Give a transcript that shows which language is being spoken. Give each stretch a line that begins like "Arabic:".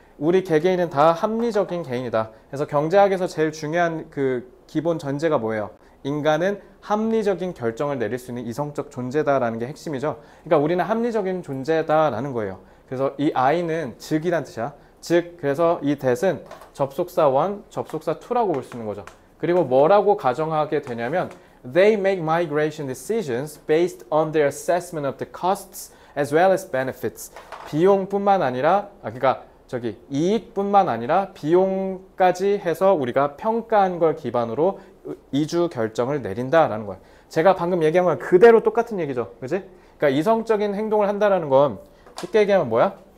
Korean: 우리 개개인은 다 합리적인 개인이다. 그래서 경제학에서 제일 중요한 그 기본 전제가 뭐예요? 인간은 합리적인 결정을 내릴 수 있는 이성적 존재다라는 게 핵심이죠. 그러니까 우리는 합리적인 존재다라는 거예요. 그래서 이 I는 즉이란 뜻이야. 즉, 그래서 이 that은 접속사 1, 접속사 2라고 볼수 있는 거죠. 그리고 뭐라고 가정하게 되냐면
English: they make migration decisions based on their assessment of the costs as well as benefits.
Korean: 비용뿐만 아니라 그러니까 저기 이익뿐만 아니라 비용까지 해서 우리가 평가한 걸 기반으로 이주 결정을 내린다라는 거예요. 제가 방금 얘기한 건 그대로 똑같은 얘기죠. 그렇지? 그러니까 이성적인 행동을 한다라는 건 쉽게 얘기하면 뭐야?